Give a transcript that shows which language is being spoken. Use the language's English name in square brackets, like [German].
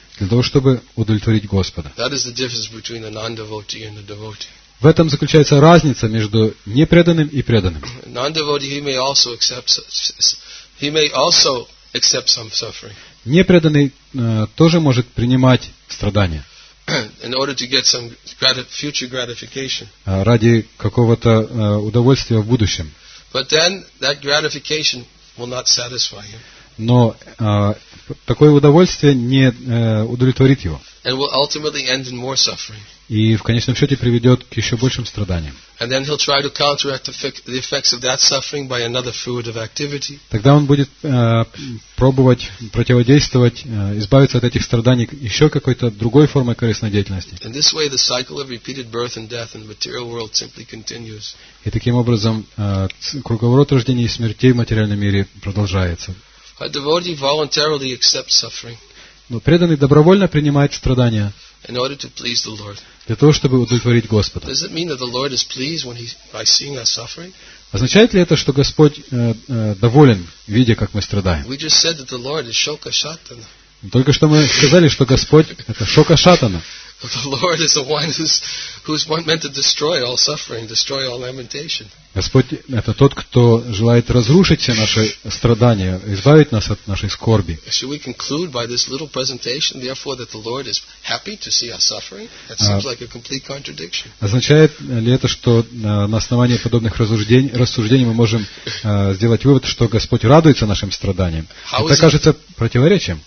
[Russian] Для того, чтобы удовлетворить Господа. [English] That is the difference between a non-devotee and a devotee. [Russian] В этом заключается разница между непреданным и преданным. [English] Non-devotee, he may also accept, some suffering. [Russian] Непреданный тоже может принимать страдания. [English] In order to get some future gratification. [Russian] Ради какого-то удовольствия в будущем. [English] But then that gratification will not satisfy him. [Russian] Но такое удовольствие не удовлетворит его. [English] And will ultimately end in more suffering. [Russian] И в конечном счете приведет к еще большим страданиям. [English] And then he'll try to counteract the effects of that suffering by another fruit of activity. [Russian] Тогда он будет пробовать противодействовать, избавиться от этих страданий еще какой-то другой формой корыстной деятельности. [English] And this way the cycle of repeated birth and death in the material world simply continues. [Russian] И таким образом круговорот рождения и смерти в материальном мире продолжается. [English] A devotee voluntarily accepts suffering. [Russian] Но преданный добровольно принимает страдания. [English] In order to please the Lord. [Russian] Для того, чтобы удовлетворить Господа. [English] Does it mean that the Lord is pleased when he by seeing us suffering? [Russian] Означает ли это, что Господь доволен, видя, как мы страдаем? [English] We just said that the Lord is Shokashatana. [Russian] Только что мы сказали, что Господь это Шокашатана. [English] The Lord is the one who's meant to destroy all suffering, destroy all lamentation. [Russian] Господь это тот, кто желает разрушить все наши страдания, избавить нас от нашей скорби. [English] Should we conclude by this little presentation, therefore, that the Lord is happy to see us suffering? That seems like a complete contradiction. [Russian] Означает ли это, что на основании подобных рассуждений мы можем сделать вывод, что Господь радуется нашим страданиям? Это кажется противоречием.